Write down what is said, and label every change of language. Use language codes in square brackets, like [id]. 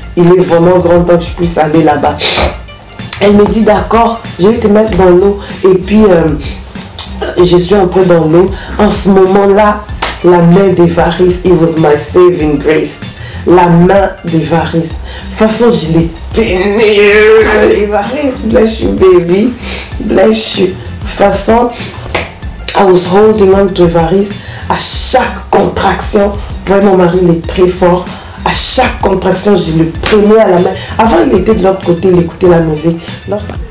[fr] Il est vraiment grand temps que je puisse aller là-bas. Elle me dit d'accord, je vais te mettre dans l'eau. Et puis, je suis entrée dans l'eau. En ce moment-là, la main des varices, [en] it was my saving grace. [fr] La main des varices. De toute façon, je l'ai tenue. Les varices, [en] bless you baby. Bless you. [fr] De toute façon, [en] I was holding on to the varices. [fr] À chaque contraction, ouais, mon mari il est très fort. À chaque contraction, je le prenais à la main. Avant, il était de l'autre côté, il écoutait la musique. Lorsque...